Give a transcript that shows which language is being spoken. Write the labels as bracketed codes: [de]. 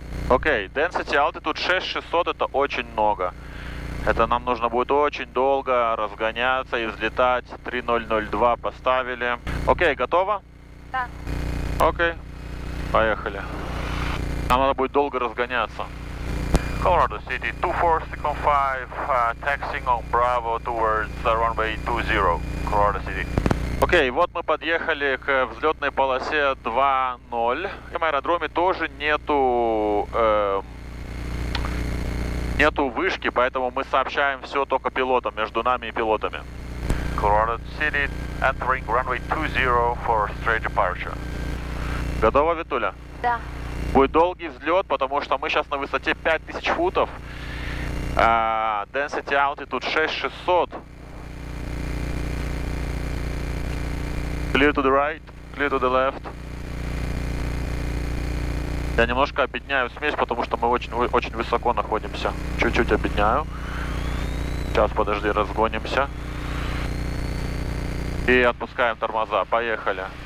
[ru] Окей, density altitude 6600, это очень много. Это нам нужно будет очень долго разгоняться и взлетать. 3002 поставили. Окей, готово? Да. Окей, поехали. Нам надо будет долго разгоняться. [en] Colorado City 2465, taxiing on Bravo towards the runway 20, Colorado City. [ru] Окей, вот мы подъехали к взлетной полосе 2.0. На аэродроме тоже нету вышки, поэтому мы сообщаем все только пилотам, между нами и пилотами. [en] Colorado City entering runway 20 for straight departure. [ru] Готова, Витуля? Да. Будет долгий взлет, потому что мы сейчас на высоте 5000 футов. [en] Density altitude 6600. Clear to the right, clear to the left. [ru] Я немножко обедняю смесь, потому что мы очень высоко находимся. Чуть-чуть обедняю. Сейчас, подожди, разгонимся. И отпускаем тормоза. Поехали.